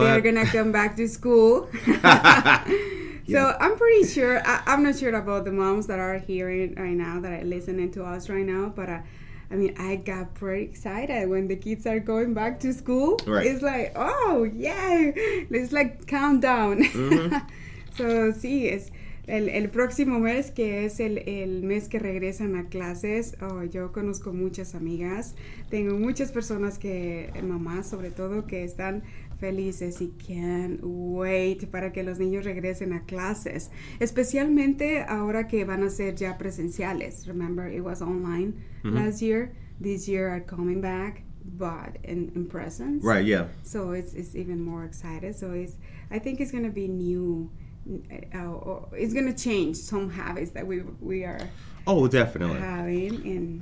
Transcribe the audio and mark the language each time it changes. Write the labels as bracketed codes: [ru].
[en] They're going to come back to school. So I'm pretty sure, I'm not sure about the moms that are hearing right now, that are listening to us right now, but I mean, I got pretty excited when the kids are going back to school. Right. It's like, oh, yay. It's like countdown. [es] So, sí, es el próximo mes, que es el mes que regresan a clases. Oh, yo conozco muchas amigas. Tengo muchas personas que, mamás sobre todo, que están felices y [en] can't wait [es] para que los niños regresen a clases. Especialmente ahora que van a ser ya presenciales. [en] Remember, it was online last year. This year are coming back, but in presence. Right, yeah. So, it's even more excited. So, I think it's going to be new. It's going to change some habits that we are Definitely. Having.